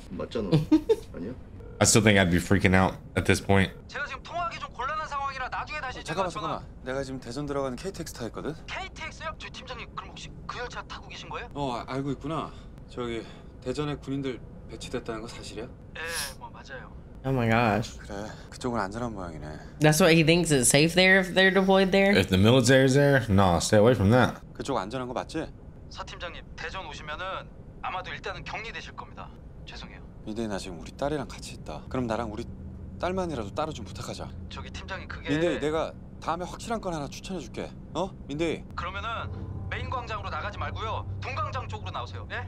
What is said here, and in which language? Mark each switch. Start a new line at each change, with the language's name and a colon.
English: I still think I'd be freaking out at this point.
Korean: 어, 잠깐만. 내가 지금 대전 들어가는 KTX 타 있거든. KTX요? 저 팀장님 그럼 혹시 그 열차 타고 계신 거예요? 어, 알고 있구나. 저기 대전에 군인들 배치됐다는 거 사실이야? 예, 뭐 맞아요.
English: Oh my gosh.
Korean: 그래, 그쪽은 안전한 모양이네.
English: That's why he thinks it's safe there if they're deployed there. If the military's there, nah, stay away from that.
Korean: 그쪽 안전한 거 맞지? 사팀장님, 대전 오시면은 아마도 일단은 격리되실 겁니다. 죄송해요. 민대 나 지금 우리 딸이랑 같이 있다. 그럼 나랑 우리 딸만이라도 따로 좀 부탁하자. 저기 팀장님 그게. 민대 내가 다음에 확실한 건 하나 추천해 줄게. 어, 민대. 그러면은 메인 광장으로 나가지 말고요 동광장 쪽으로 나오세요. 예?